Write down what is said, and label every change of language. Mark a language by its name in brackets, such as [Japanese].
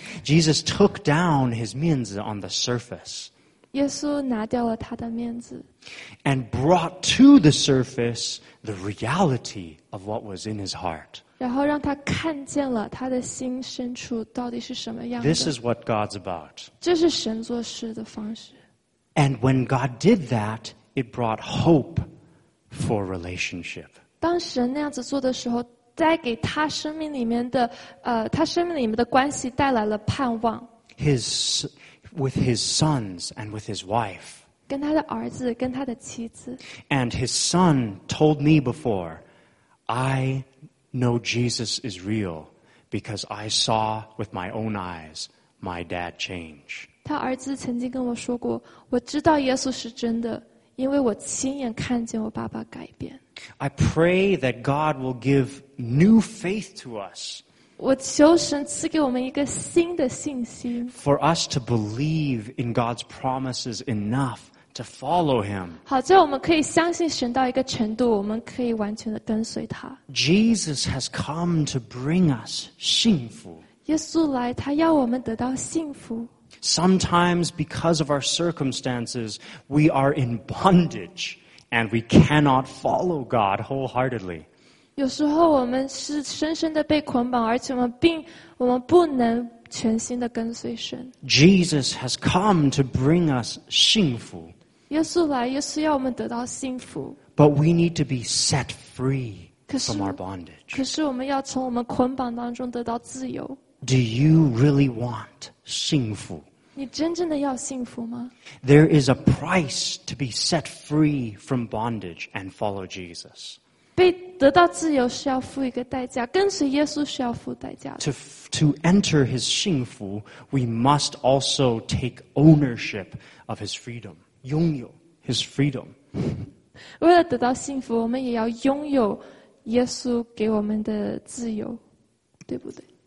[English] Jesus took down his 面子 on the surface. [Chinese] 耶稣拿掉了他的面子。 [English] And brought to the surface the reality of what was in his heart. [Chinese] 然后让他看见了他的心深处到底是什么样的。 [English] This is what God's about. [Chinese] 这是神做事的方式。 [English] And when God did that, it brought hope for relationship. [Chinese] 当神那样子做的时候带给他生命里面的他生命里面的关系带来了盼望。 [English] With his sons and with his wife. [Chinese] 跟他的儿子跟他的妻子。 [English] And his son told me before, I know Jesus is real because I saw with my own eyes my dad change. [Chinese] 他儿子曾经跟我说过我知道耶稣是真的因为我亲眼看见我爸爸改变。 [English] I pray that God will give new faith to us. [Chinese] 我求神赐给我们一个新的信心。 [English] For us to believe in God's promises enough to follow Him. [Chinese] 好，在我们可以相信神到一个程度，我们可以完全的跟随他。 [English] Jesus has come to bring us 幸福。 [Chinese] 耶稣来，他要我们得到幸福。 [English] Sometimes because of our circumstances, we are in bondage. And we cannot follow God wholeheartedly. [Chinese] 有时候我们是深深的被捆绑，而且我们不能全心的跟随神。 [English] Jesus has come to bring us 幸福。 [Chinese] 耶稣来，耶稣要我们得到幸福。 [English] But we need to be set free from our bondage. [Chinese] 可是我们要从我们捆绑当中得到自由。 [English] Do you really want 幸福？ [Chinese] 你真正的要幸福吗？ [English] There is a price to be set free from bondage and follow Jesus. [Chinese] 被得到自由是要付一个代价，跟随耶稣是要付代价的。 [English] To enter his 幸福, we must also take ownership of his freedom. 拥有 his freedom. [Chinese] 为了得到幸福，我们也要拥有耶稣给我们的自由，对不对？